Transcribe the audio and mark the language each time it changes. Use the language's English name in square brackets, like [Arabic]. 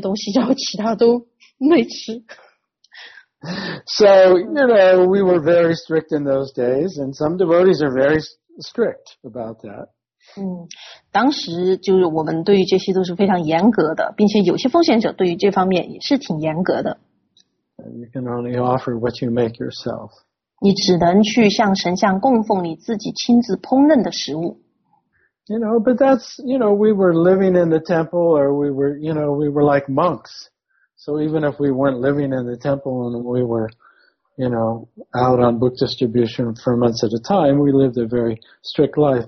[English] So, you know, we were very strict in those days, and some devotees are very strict about that. [Chinese] 当时就是我们对于这些都是非常严格的，并且有些奉献者对于这方面也是挺严格的。 [English] You can only offer what you make yourself. [Chinese] 你只能去向神像供奉你自己亲自烹饪的食物。 [English] You know, but that's, you know, we were living in the temple, or we were, you know, we were like monks. So even if we weren't living in the temple and we were, you know, out on book distribution for months at a time, we lived a very strict life.